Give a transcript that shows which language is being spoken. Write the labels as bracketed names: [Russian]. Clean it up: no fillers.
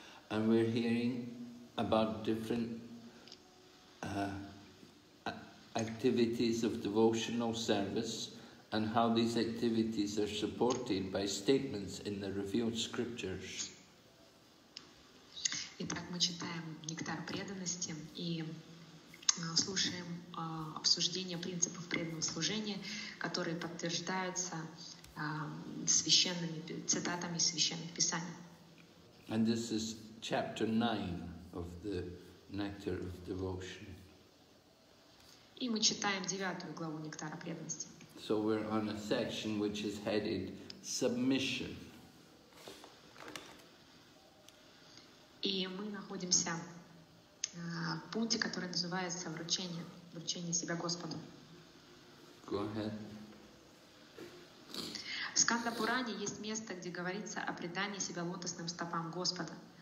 [English] And we're hearing about different activities of devotional service and how these activities are supported by statements in the revealed scriptures. [Russian] Итак, мы читаем «Нектар преданности» и слушаем обсуждение принципов преданного служения, которые подтверждаются священными цитатами из священных писаний. [English] And this is Chapter 9 of the Nectar of Devotion. [Russian] И мы читаем девятую главу Нектара преданности. [English] So we're on a section which is headed submission. [Russian] И мы находимся в пункте, который называется вручение, вручение себя Господу. [English] Go ahead. [Russian] В Сканда Пуране есть место, где говорится о предании себя лотосным стопам Господа.